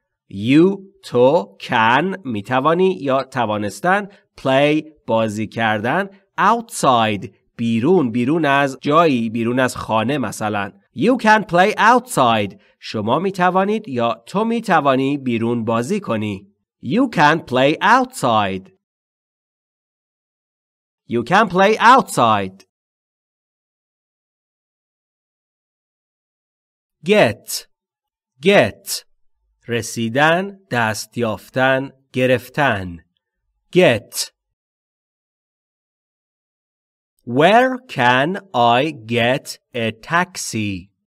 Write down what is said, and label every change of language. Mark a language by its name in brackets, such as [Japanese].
[Persian] You تو can می توانی یا توانستن play بازی کردن outside بیرون بیرون از جایی بیرون از خانه مثلا. [English] You can play outside. [Persian] شما می توانید یا تو می توانی بیرون بازی کنی. [English] You can play outside. You can play outside. [Persian] Get رسیدن دست یافتن گرفتن. [English] Get. Where can I get a taxi?